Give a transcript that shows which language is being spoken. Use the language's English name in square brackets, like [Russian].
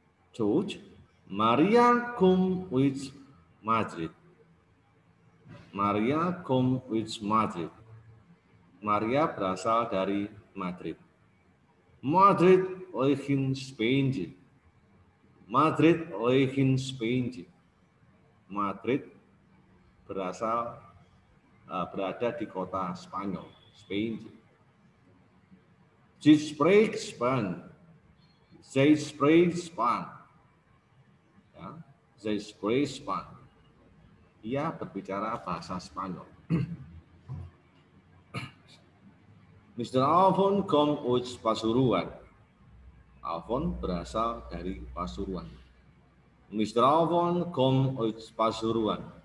[English] George, Maria come with Madrid. Maria come with Madrid. [Indonesian] Maria berasal dari Madrid. [English] Madrid origin Spain. Madrid origin Spain. [Indonesian] Madrid berasal berada di kota Spanyol, Spain. [English] She speaks Spain. They speak Spain. Ya, they speak Spain. [Indonesian] Ia berbicara bahasa Spanyol. [English] Mr. Alfon come with Pasuruan. [Indonesian] Alfon berasal dari Pasuruan. [English] Mr. Alfon come with Pasuruan.